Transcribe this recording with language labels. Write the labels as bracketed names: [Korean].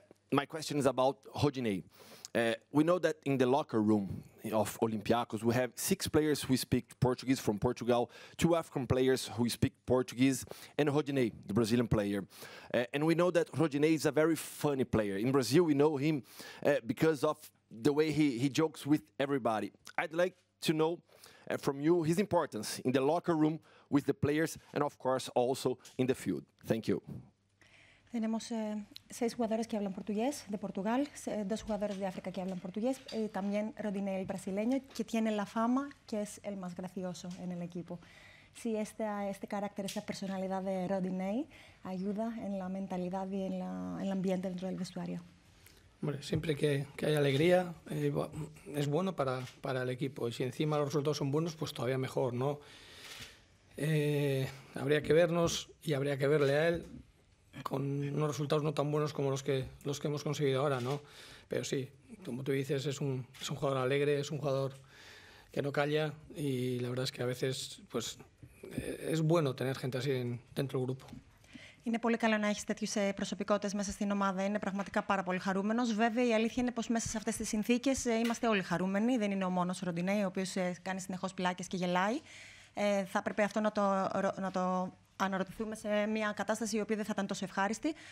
[English] My question is about Hodinei. We know that in the locker room of Olympiacos, we have 6 players who speak Portuguese from Portugal, 2 African players who speak Portuguese, and Hodinei, the Brazilian player. And we know that Hodinei is a very funny player. In Brazil, we know him because of the way he jokes with everybody. I'd like to know from you his importance in the locker room with the players and of course also in the field. Thank you. [Spanish] Tenemos 6 jugadores que hablan portugués de Portugal, 2 jugadores de África que hablan portugués y también Rodinei el brasileño que tiene la fama que es el más gracioso en el equipo. Sí, este carácter, esta personalidad de Rodinei ayuda en la mentalidad y en el ambiente dentro del vestuario. Hombre, siempre que haya alegría es bueno para el equipo y si encima los resultados son buenos, pues todavía mejor, ¿no? Habría que vernos y habría que verle a él con unos resultados no tan buenos como los que hemos conseguido ahora, ¿no? Pero sí, como tú dices, es un jugador alegre, es un jugador que no calla y la verdad es que a veces pues es bueno tener gente así dentro del grupo. [Greek] Είναι πολύ καλό να έχεις τέτοιους προσωπικότητες μέσα στην ομάδα. Είναι πραγματικά πάρα πολύ χαρούμενος. Βέβαια, η αλήθεια είναι πως μέσα σε αυτές τις συνθήκες είμαστε όλοι χαρούμενοι. Δεν είναι ο μόνος ο Ροντινέι, ο οποίος κάνει συνεχώς πλάκες και γελάει. Θα πρέπει αυτό να το αναρωτηθούμε σε μια κατάσταση η οποία δεν θα ήταν τόσο ευχάριστη.